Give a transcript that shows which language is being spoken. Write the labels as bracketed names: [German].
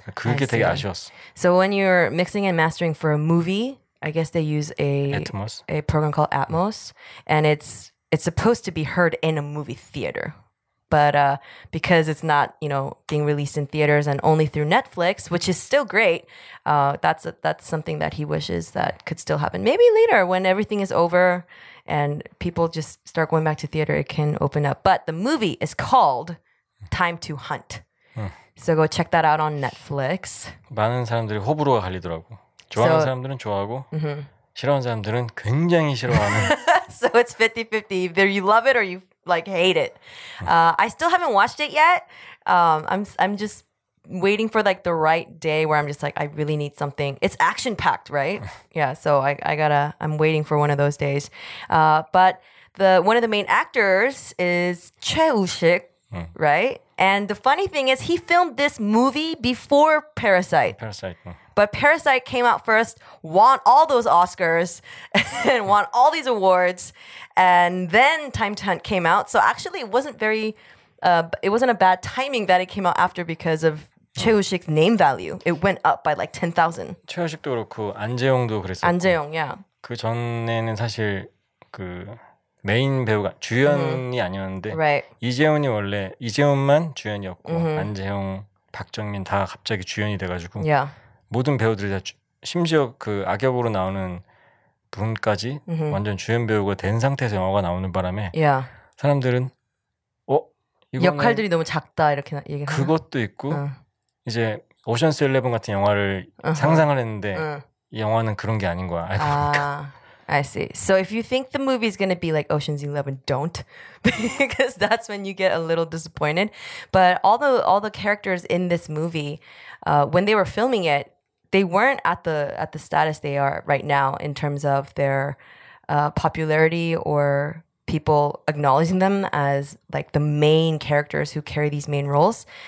[Korean] 그게 되게 아쉬웠어. [English] So when you're mixing and mastering for a movie, I guess they use a program called Atmos, and it's supposed to be heard in a movie theater. But because it's not, you know, being released in theaters and only through Netflix, which is still great, that's something that he wishes that could still happen. Maybe later when everything is over and people just start going back to theater, it can open up. But the movie is called Time to Hunt. So go check that out on Netflix. [Korean] 많은 사람들이 호불호가 갈리더라고. 좋아하는 사람들은 좋아하고 싫어하는 사람들은 굉장히 싫어하는. [English] So it's 50-50. Either you love it or you like hate it. I still haven't watched it yet. I'm just waiting for like the right day where I'm just like I really need something. It's action packed, right? Yeah, so I'm waiting for one of those days. But one of the main actors is Choi Woo-sik, right? And the funny thing is, he filmed this movie before Parasite. But Parasite came out first, won all those Oscars, and won all these awards, and then Time to Hunt came out. So actually, it wasn't a bad timing that it came out after because of Choi Woo-sik's name value. It went up by like 10,000. [Korean] 최 우식도 그렇고 안재영도 그랬어. [English] 안재영, yeah. [Korean] 그 전에는 사실 그 메인 배우가 주연이 아니었는데 [English] right. [Korean] 이재훈이 원래 이재훈만 주연이었고 안재영, 박정민 다 갑자기 주연이 돼가지고 [English] yeah. [Korean] 모든 배우들이 다 심지어 그 악역으로 나오는 분까지 완전 주연 배우가 된 상태에서 영화가 나오는 바람에 [English] yeah. [Korean] 사람들은 역할들이 너무 작다 이렇게 얘기하는 그것도 있고 이제 오션스 11 같은 영화를 상상을 했는데 이 영화는 그런 게 아닌 거야 알고 보니까 [English] I see. So if you think the movie is going to be like Ocean's 11, don't. Because that's when you get a little disappointed. But all the characters in this movie, when they were filming it, they weren't at the status they are right now in terms of their popularity or people acknowledging them as like the main characters who carry these main roles.